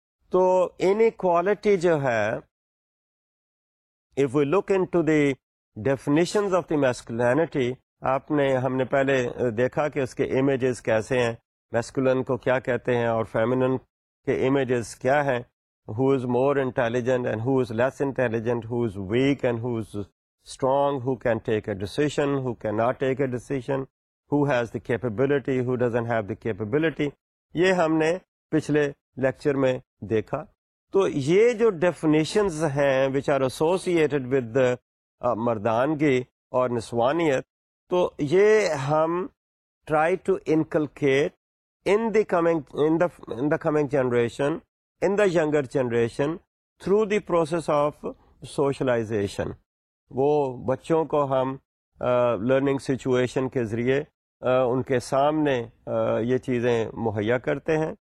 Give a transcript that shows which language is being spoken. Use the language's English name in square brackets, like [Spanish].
[Urdu] تو انیکوالٹی جو ہے, [English] if we look into the definitions of the masculinity, [Urdu] آپ نے ہم نے پہلے دیکھا کہ اس کے امیجز کیسے ہیں, میسکولن کو کیا کہتے ہیں اور فیمینن کے امیجز کیا ہیں, [English] who is more intelligent and who is less intelligent, who is weak and who is strong, who can take a decision, who can not take a decision, who has the capability, who doesn't have the capability, [Urdu] یہ ہم نے پچھلے lecture میں دیکھا. تو یہ جو definitions ہیں [English] Which are associated with مردانگی اور نسوانیت, تو یہ ہم try to inculcate in the coming generation, in the younger generation, through the process of socialization. [Urdu] وہ بچوں کو ہم لرننگ سچویشن کے ذریعے ان کے سامنے یہ چیزیں مہیا کرتے ہیں.